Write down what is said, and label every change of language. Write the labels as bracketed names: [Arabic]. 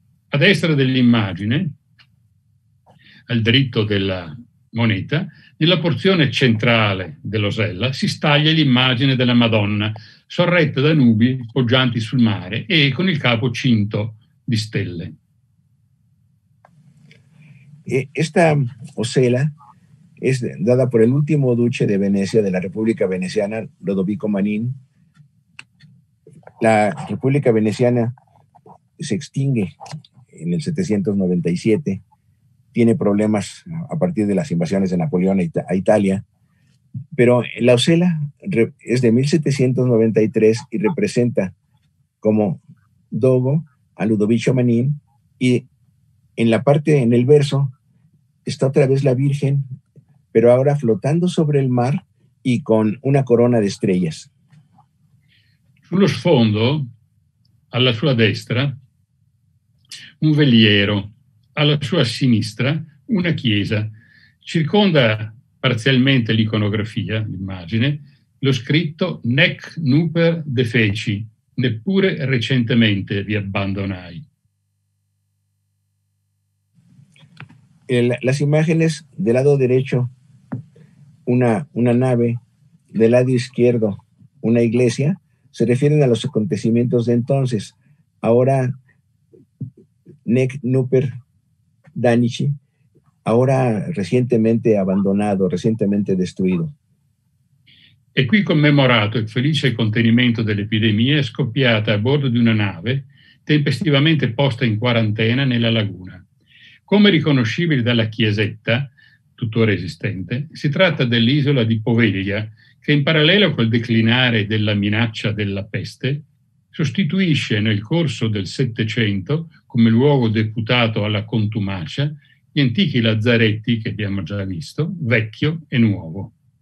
[Italian] A destra dell'immagine, al dritto della moneta, nella porzione centrale dell'osella si staglia l'immagine della Madonna sorretta da nubi poggianti sul mare e con il capo cinto di stelle. [Spanish] Esta osela es dada por el último duque de Venecia, de la República Veneciana, Lodovico Manin. La República Veneciana se extingue en el 797, tiene problemas a partir de las invasiones de Napoleón a Italia, pero la osela es de 1793 y representa como dogo a Lodovico Manin y en la parte, en el verso, está otra vez la Virgen, pero ahora flotando sobre el mar y con una corona de estrellas. [Italian] Sullo sfondo, alla sua destra, un veliero, alla sua sinistra, una chiesa. Circonda parzialmente l'iconografia, l'immagine, lo scritto [Latin] Nec nuper defeci, [Italian] neppure recentemente vi abbandonai. [Spanish] Las imágenes del lado derecho, una nave, del lado izquierdo, una iglesia, se refieren a los acontecimientos de entonces. Ahora, [Latin] Nec nuper danici, [Spanish] ahora recientemente abandonado, recientemente destruido. [Italian] È qui commemorato il felice contenimento dell'epidemia scoppiata a bordo di una nave tempestivamente posta in quarantena nella laguna. Come riconoscibile dalla chiesetta, tuttora esistente, si tratta dell'isola di Poveglia, che in parallelo col declinare della minaccia della peste, sostituisce nel corso del Settecento, come luogo deputato alla contumacia, gli antichi lazzaretti che abbiamo già visto, vecchio e nuovo.